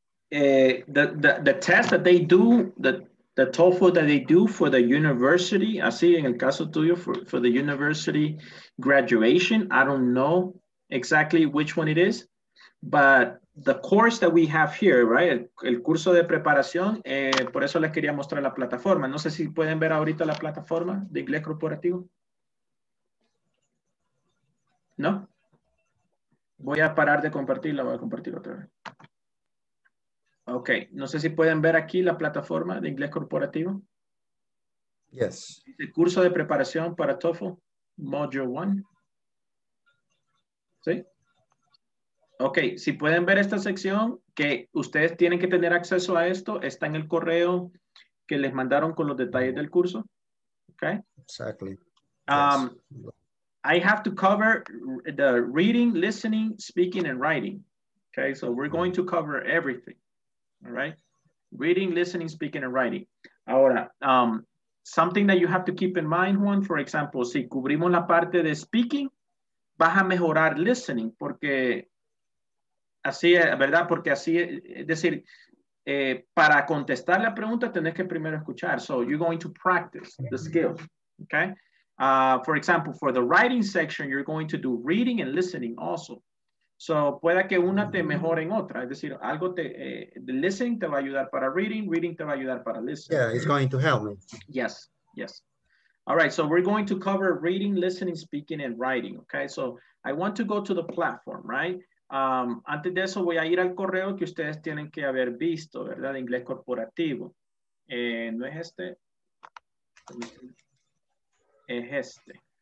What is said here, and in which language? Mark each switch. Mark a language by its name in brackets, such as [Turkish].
[English] The test that they do, the TOEFL that they do for the university, [Spanish] así en el caso tuyo, [English] for the university graduation, I don't know exactly which one it is. But the course that we have here, right? [Spanish] El curso de preparación, por eso les quería mostrar la plataforma. No sé si pueden ver ahorita la plataforma de Inglés Corporativo. ¿No? Voy a parar de compartirla, voy a compartir otra vez. Ok, no sé si pueden ver aquí la plataforma de Inglés Corporativo. [English] Yes. [Spanish] El curso de preparación para TOEFL, Module 1. ¿Sí? Ok, si pueden ver esta sección, que ustedes tienen que tener acceso a esto, está en el correo que les mandaron con los detalles del curso. [English] Ok. Exactly. I have to cover the reading, listening, speaking, and writing. Okay, so we're going to cover everything. All right. Reading, listening, speaking, and writing. [Spanish] Ahora, [English] something that you have to keep in mind, Juan, for example, [Spanish] si cubrimos la parte de speaking, vas a mejorar listening, porque así es, ¿verdad? Porque así es, es decir, para contestar la pregunta, tenés que primero escuchar. [English] So you're going to practice the skill. Okay. For example, for the writing section, you're going to do reading and listening also. [Spanish] So, pueda que una te mejore en otra. Es decir, algo te, the listening te va a ayudar para reading, reading te va a ayudar para listening. [English] Yeah, it's going to help me. Yes, yes. All right, so we're going to cover reading, listening, speaking, and writing, okay? So, I want to go to the platform, right? [Spanish] Antes de eso, voy a ir al correo que ustedes tienen que haber visto, ¿verdad? De Inglés Corporativo. ¿No es este? Es este.